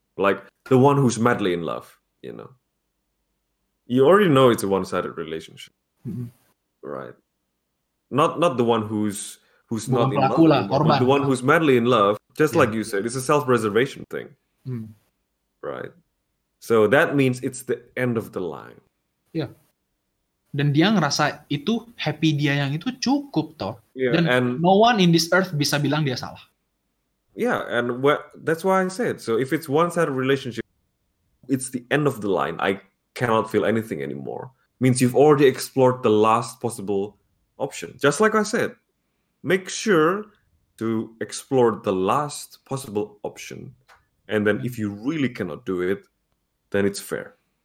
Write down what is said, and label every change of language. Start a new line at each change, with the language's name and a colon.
English: Like the one who's madly in love, you know, you already know it's a one-sided relationship, right? Not the one who's
Indonesian: bukan
English: not in love,
Indonesian: lah, korban,
English: but the one who's madly in love, just like you said, it's a self-preservation thing, right? So that means it's the end of the line. Yeah.
Indonesian: Dan dia ngerasa itu
English: happy
Indonesian: dia yang itu cukup, toh.
English: Yeah,
Indonesian: dan
English: and no one in this earth
Indonesian: bisa bilang dia salah.
English: Yeah, and that's why I said, so if it's one side of relationship, it's the end of the line, I cannot feel anything anymore, means you've already explored the last possible option. Just like I said, make sure to explore the last possible option, and then if you really cannot do it, then it's fair.